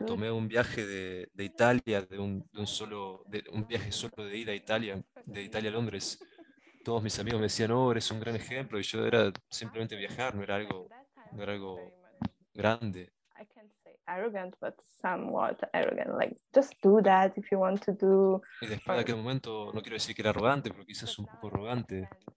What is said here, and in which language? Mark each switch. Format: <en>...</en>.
<es>tomé un viaje de Italia, de un viaje solo de ida a Italia, de Italia a Londres, todos mis amigos me decían, oh, eres un gran ejemplo, y yo era simplemente viajar, no era algo grande.</es> <en>I can't say arrogant, but somewhat arrogant, like, just do that if you want to do...</en> <es>Y después de aquel momento, no quiero decir que era arrogante, pero quizás un poco arrogante.</es>